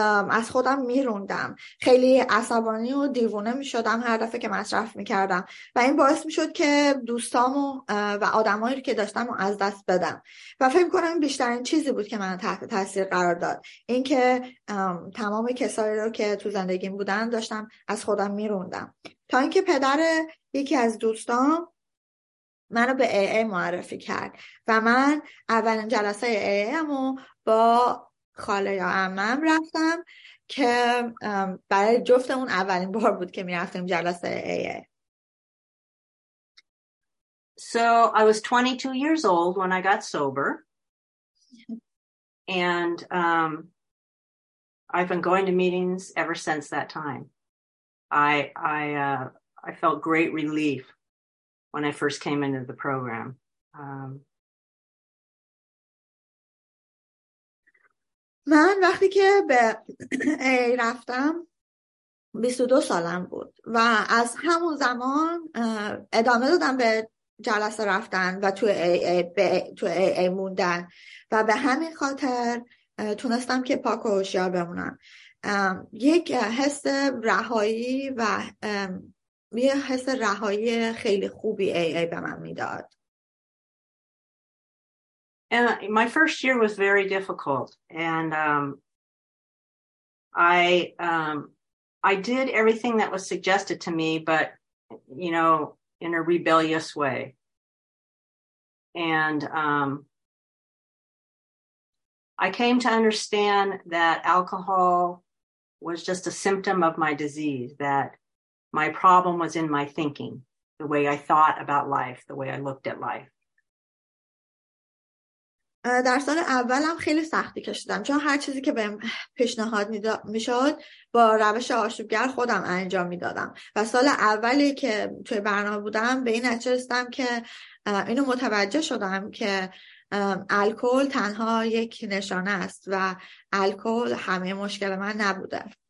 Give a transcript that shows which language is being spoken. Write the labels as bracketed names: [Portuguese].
[Persian] از خودم می‌روندم، خیلی عصبانی و دیوونه می‌شدم هر دفعه که مصرف می‌کردم و این باعث می‌شد که دوستامو و آدمایی رو که داشتم از دست بدم و فکر می‌کنم بیشترین چیزی بود که من تحت تاثیر قرار داد، اینکه تمام کسایی رو که تو زندگیم بودن داشتم از خودم می‌روندم، تا اینکه پدر یکی از دوستان منو به AA معرفی کرد و من اولین جلسه AA امو با خاله یا عمم رفتم که برای جفتمون اولین بار بود که میرفتیم جلسه AA. [English] So I was 22 years old when I got sober. And I've been going to meetings ever since that time. I felt great relief when I first came into the program. [Persian] من وقتی که به AA رفتم 22 سالم بود و از همون زمان ادامه دادم به جلسه رفتن و تو AA موندن و به همین خاطر تونستم که پاک و هوشیار بمونم. یک حس رهایی و یه حس رهایی خیلی خوبی AA به من میداد. [English] And my first year was very difficult and I did everything that was suggested to me, but you know, in a rebellious way. And I came to understand that alcohol was just a symptom of my disease, that my problem was in my thinking, the way I thought about life, the way I looked at life. [Persian] در سال اولم خیلی سختی کشیدم چون هر چیزی که بهم پیشنهاد میشد با روش آشوبگر خودم انجام میدادم و سال اولی که توی برنامه بودم به این نتیجه رسیدم که اینو متوجه شدم که الکل تنها یک نشانه است و الکل همه مشکل من نبوده.